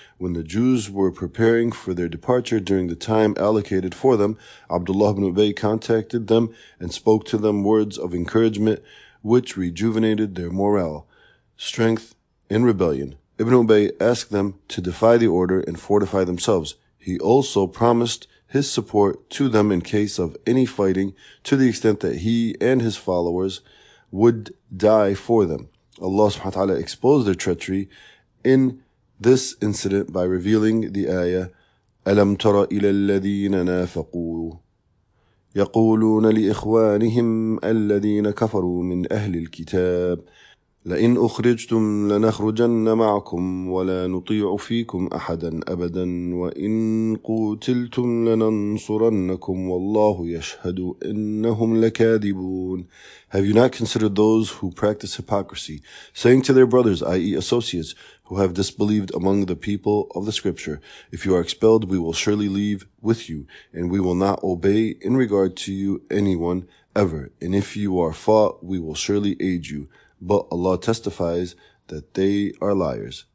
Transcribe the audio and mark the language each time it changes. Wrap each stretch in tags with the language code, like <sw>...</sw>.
<en>When the Jews were preparing for their departure during the time allocated for them, Abdullah ibn Ubay contacted them and spoke to them words of encouragement which rejuvenated their morale, strength, and rebellion. Ibn Ubay asked them to defy the order and fortify themselves. He also promised his support to them in case of any fighting, to the extent that he and his followers would die for them. Allah subhanahu wa ta'ala exposed their treachery in this incident by revealing the ayah,</en> <ar>أَلَمْ تَرَ إِلَى الَّذِينَ نَافَقُوا يَقُولُونَ لِإِخْوَانِهِمْ الَّذِينَ كَفَرُوا مِنْ أَهْلِ الْكِتَابِ لَئِنْ أُخْرِجْتُمْ لَنَخْرُجَنَّ مَعَكُمْ وَلَا نُطِيعُ فِيكُمْ أَحَدًا أَبَدًا وَإِنْ قُوتِلْتُمْ لَنَنْصُرَنَّكُمْ وَاللَّهُ يَشْهَدُ إِنَّهُمْ لَكَاذِبُونَ.</ar> <en>Have you not considered those who practice hypocrisy, saying to their brothers, i.e. associates, who have disbelieved among the people of the scripture, if you are expelled, we will surely leave with you, and we will not obey in regard to you anyone ever. And if you are fought, we will surely aid you. But Allah testifies that they are liars.</en>